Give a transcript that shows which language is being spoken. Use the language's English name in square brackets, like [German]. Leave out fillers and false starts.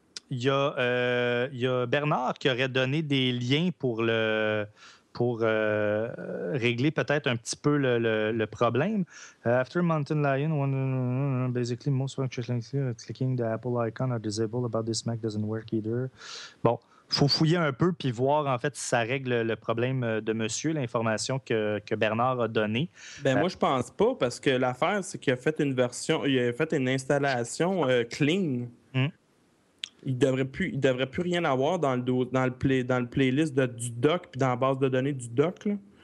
[French] Il y a Bernard qui aurait donné des liens pour régler peut-être un petit peu le problème. [English] After Mountain Lion, basically most functions like clicking the Apple icon are disabled about this Mac doesn't work either. [French] Bon, faut fouiller un peu puis voir en fait si ça règle le problème de monsieur, l'information que Bernard a donnée. Ben moi je pense pas parce que l'affaire c'est qu'il a fait une version, il a fait une installation clean. Il devrait plus rien avoir dans le playlist du doc puis dans la base de données du doc là.